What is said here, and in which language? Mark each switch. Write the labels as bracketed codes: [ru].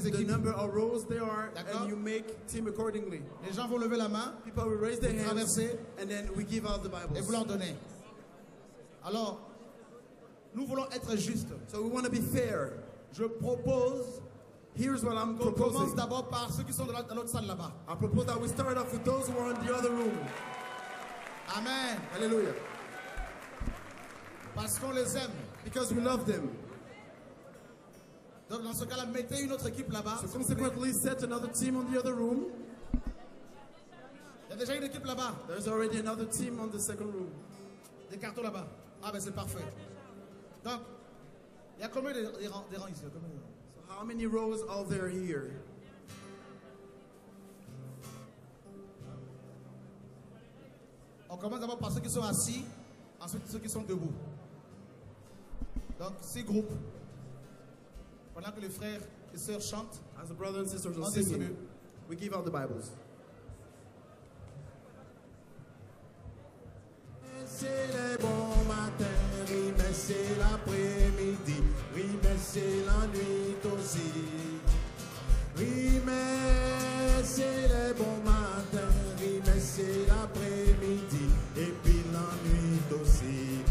[en] the number of rows there are. D'accord? And you make team accordingly. [fr] Les gens vont lever la main. [en] People will raise their hands. [fr] Traverser. [en] And then we give out the Bibles. [fr] Et vous leur donnez. Alors, nous voulons être justes. [en] So we want to be fair. [fr] Je propose. [en] Here's what I'm proposing. [fr] Je commence d'abord par ceux qui sont dans l'autre salle là-bas. [en] I propose that we start off with those who are in the other room. [fr] Amen. Alléluia. Parce qu'on les aime. [en] Because we love them. [fr] Donc dans ce cas-là, mettez une autre équipe là-bas. [en] So consequently, set another team on the other room. [fr] Il y a déjà une équipe là-bas. [en] There's already another team on the second room. [fr] Des cartons là-bas. Ah ben c'est parfait. Donc, il y a combien de rangs ici? So how many rows are there here? On commence d'abord par ceux qui sont assis, ensuite ceux qui sont debout. Donc, six groupes. Pendant que les frères les sœurs chantent. [en] As the brothers and sisters are singing, we give out the Bibles. [fr] C'est le bon matin, oui, mais c'est l'après-midi, oui, mais c'est la nuit aussi. Oui, mais c'est le bon matin, oui, mais c'est l'après-midi, et puis la nuit aussi.